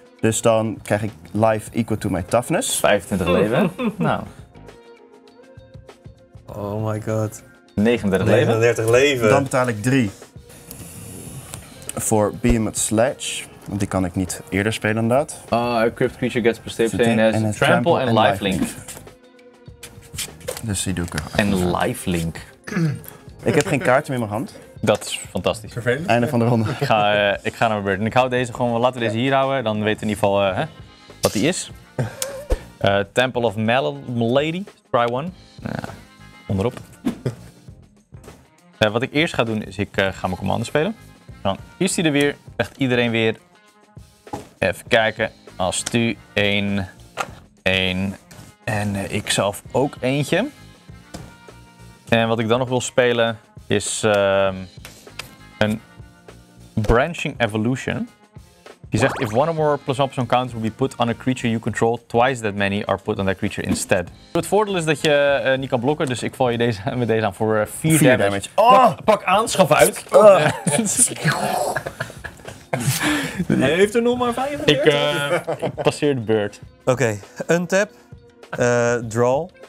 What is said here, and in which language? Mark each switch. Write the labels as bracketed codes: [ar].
[nl] Dus dan krijg ik [en] life equal to my toughness. [nl] 25 leven. Nou. [en] Oh my god. [nl] 39 leven. Dan betaal ik 3. Voor Behemoth Sledge. Want die kan ik niet eerder spelen dan dat. [en] Equipped creature gets perceptive and has trample and lifelink. [nl] Dus die doe ik er. En lifelink. Ik heb geen kaarten meer in mijn hand. Dat is fantastisch. Vervelend. Einde van de ronde. Ik ga naar mijn beurt. En ik hou deze gewoon, laten we deze hier houden. Dan weten we in ieder geval wat die is. Temple of Malady. Try one. Onderop. Wat ik eerst ga doen is ik ga mijn commander spelen. Dan is die er weer. Echt iedereen weer. Even kijken. Als tu 1. En ik zelf ook eentje. En wat ik dan nog wil spelen... is een Branching Evolution. Die zegt, [en] if one or more plus one plus one counters will be put on a creature you control, twice that many are put on that creature instead. [nl] Het voordeel is dat je niet kan blokken, dus ik val je deze, met deze aan voor 4 damage. Oh! Pak aanschaf uit! Hij heeft er nog maar 35. Ik passeer de beurt. Oké, untap, draw.